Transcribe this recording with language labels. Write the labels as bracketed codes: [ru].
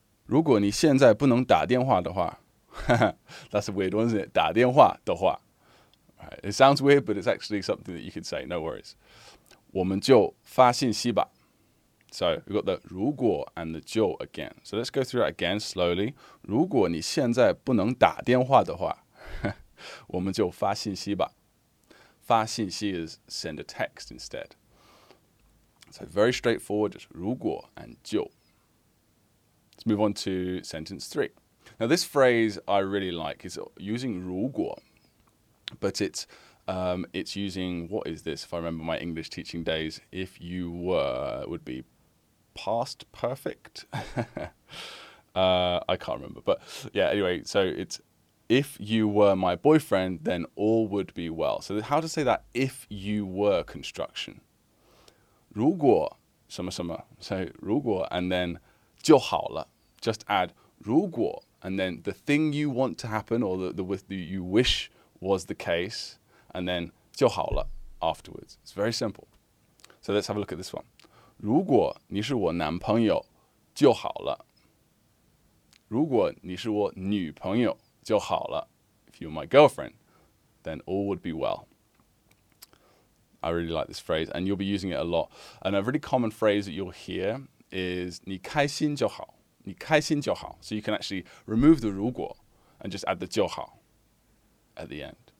[zh] 如果你现在不能打电话的话, [en] that's a weird one, isn't it? [zh] 打电话的话. [en] Right. It sounds weird, but it's actually something that you could say. No worries. [zh] 我们就发信息吧. [en] So we've got the 如果 and the 就 again. So let's go through that again slowly. [zh] 如果你现在不能打电话的话, 我们就发信息吧. [en] 发信息 is send a text instead. So very straightforward, just 如果 and 就. Let's move on to sentence three. Now this phrase I really like is using 如果, but it's using, what is this, if I remember my English teaching days, if you were, it would be past perfect. I can't remember, but yeah, anyway, so it's, if you were my boyfriend, then all would be well. So how to say that if you were construction? [zh] 如果什么什么, [en] so 如果 and then 就好了, just add 如果 and then the thing you want to happen or the you wish was the case, and then 就好了 afterwards. It's very simple. So let's have a look at this one. [zh] 如果你是我男朋友,就好了. 如果你是我女朋友,就好了. [en] if you were my girlfriend, then all would be well. I really like this phrase, and you'll be using it a lot. And a really common phrase that you'll hear is [zh] 你开心就好,你开心就好. [en] So you can actually remove the 如果 and just add the 就好 at the end.